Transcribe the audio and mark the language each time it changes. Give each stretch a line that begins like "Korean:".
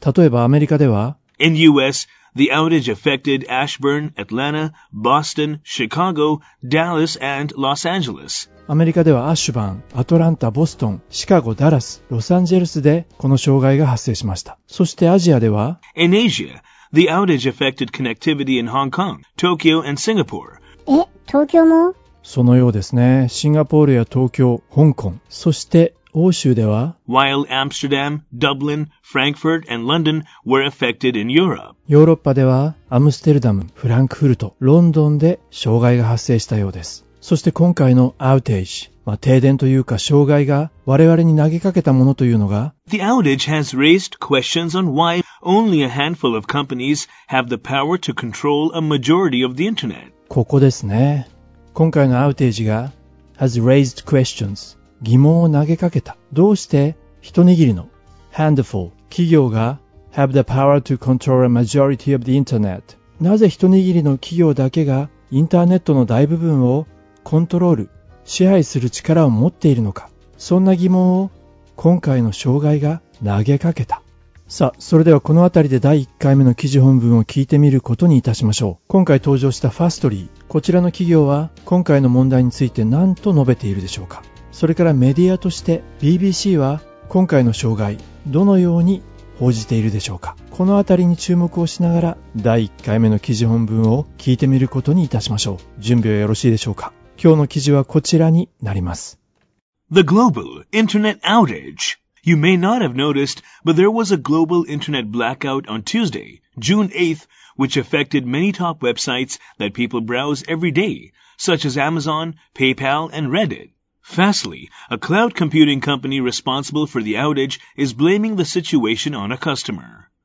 Japanese: 例えばアメリカでは、
English: In US, the outage affected Ashburn, Atlanta, Boston, Chicago, Dallas, and Los Angeles.
Japanese: アメリカではアッシュバン、アトランタ、ボストン、シカゴ、ダラス、ロサンゼルスでこの障害が発生しました。そしてアジアでは、
English: In Asia, the outage affected connectivity in Hong Kong, Tokyo, and Singapore.
Japanese: え、東京も？そのようですね。シンガポールや東京、香港、そして欧州では、
English: While Amsterdam, Dublin, Frankfurt, and London were affected in Europe.
Japanese: ヨーロッパでは、アムステルダム、フランクフルト、ロンドンで障害が発生したようです。そして今回のアウテージ、まあ、停電というか障害が我々に投げかけたものというのが、
English: The outage has raised questions on why only a handful of companies have the power to control a majority of the internet.
Japanese: ここですね。今回のアウテージが、
English: has raised questions。
Japanese: 疑問を投げかけた。どうして一握りの handful 企業が
English: have the power to control a majority of the internet、
Japanese: なぜ一握りの企業だけがインターネットの大部分をコントロール、支配する力を持っているのか、そんな疑問を今回の障害が投げかけた。さあ、それではこのあたりで第1回目の記事本文を聞いてみることにいたしましょう。今回登場したFastly、こちらの企業は今回の問題について何と述べているでしょうか。それからメディアとして BBC は今回の障害どのように報じているでしょうか。このあたりに注目をしながら第1回目の記事本文を聞いてみることにいたしましょう。準備はよろしいでしょうか。今日の記事はこちらになります。
English: The Global Internet Outage. You may not have noticed, but there was a global internet blackout on Tuesday, June 8th, which affected many top websites that people browse every day, such as Amazon, PayPal, and Reddit. Fastly, a cloud computing company responsible for the outage, is blaming the situation on a customer.